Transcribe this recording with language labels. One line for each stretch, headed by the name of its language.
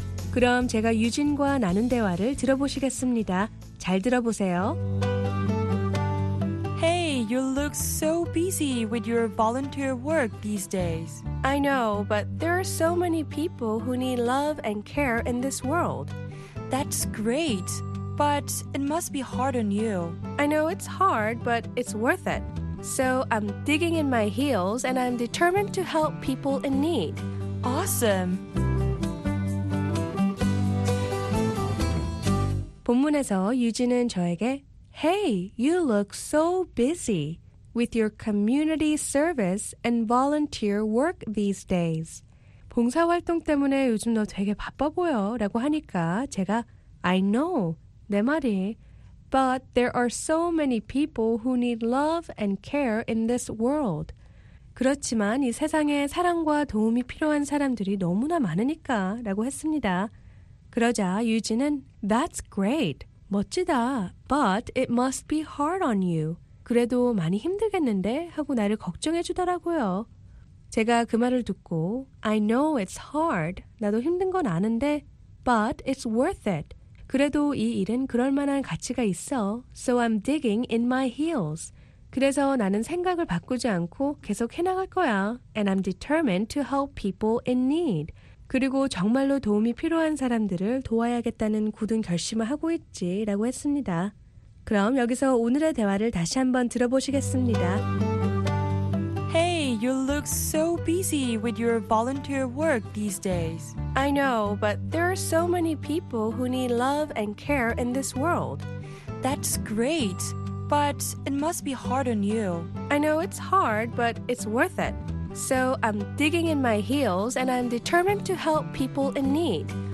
Korean: 그럼 제가 유진과 나눈 대화를 들어보시겠습니다. 잘 들어보세요.
English: Hey, you look so busy with your volunteer work these days. I know, but there are so many people who need love and care in this world. That's great, but it must be hard on you. I know it's hard, but it's worth it. So I'm digging in my heels and I'm determined to help people in need. Awesome!
Korean: 본문에서 유진은 저에게
English: Hey, you look so busy with your community service and volunteer work these days.
Korean: 봉사활동 때문에 요즘 너 되게 바빠 보여 라고 하니까 제가
English: I know,
Korean: 내 말이.
English: But there are so many people who need love and care in this world.
Korean: 그렇지만 이 세상에 사랑과 도움이 필요한 사람들이 너무나 많으니까 라고 했습니다. 그러자 유진은
English: That's great,
Korean: 멋지다.
English: But it must be hard on you.
Korean: 그래도 많이 힘들겠는데? 하고 나를 걱정해 주더라고요.
English: 제가 그 말을 듣고 I know it's hard.
Korean: 나도 힘든 건 아는데
English: But it's worth it.
Korean: 그래도 이 일은 그럴 만한 가치가 있어.
English: So I'm digging in my heels.
Korean: 그래서 나는 생각을 바꾸지 않고 계속 해나갈 거야.
English: And I'm determined to help people in need.
Korean: 그리고 정말로 도움이 필요한 사람들을 도와야겠다는 굳은 결심을 하고 있지 라고 했습니다. 그럼 여기서 오늘의 대화를 다시 한번 들어보시겠습니다.
English: Hey, you look so busy with your volunteer work these days. I know, but there are so many people who need love and care in this world. That's great, but it must be hard on you. I know it's hard, but it's worth it. So I'm digging in my heels and I'm determined to help people in need.